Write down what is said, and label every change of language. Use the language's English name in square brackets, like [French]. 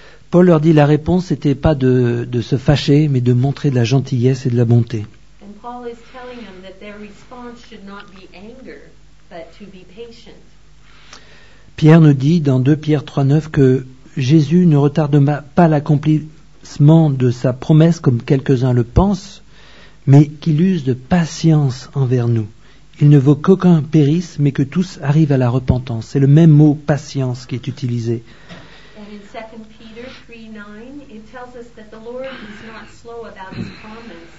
[French] Paul leur dit la réponse n'était pas de se fâcher, mais de montrer de la gentillesse et de la bonté. [English] Paul is telling them that their response should not be anger, but to be patient. [French] Pierre nous dit dans 2 Pierre 3:9 que Jésus ne retarde pas l'accomplissement de sa promesse comme quelques-uns le pensent, mais qu'il use de patience envers nous. Il ne veut qu'aucun périsse, mais que tous arrivent à la repentance. C'est le même mot patience qui est utilisé. [English] And in 2 Peter 3:9, it tells us that the Lord is not slow about his promise.